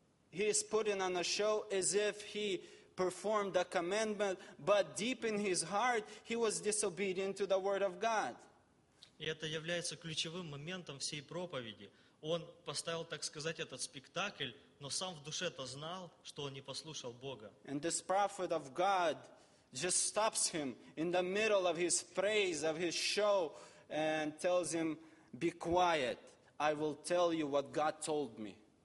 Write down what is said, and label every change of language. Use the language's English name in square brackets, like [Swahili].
[English] He is putting on a show as if he performed the commandment, but deep in his heart, he was disobedient to the word of God. [Russian] И это является ключевым моментом всей проповеди. Он поставил, так сказать, этот спектакль, но сам в душе-то знал, что он не послушал Бога. [English] And this prophet of God just stops him in the middle of his praise, of his show, and tells him, be quiet, I will tell you what God told me.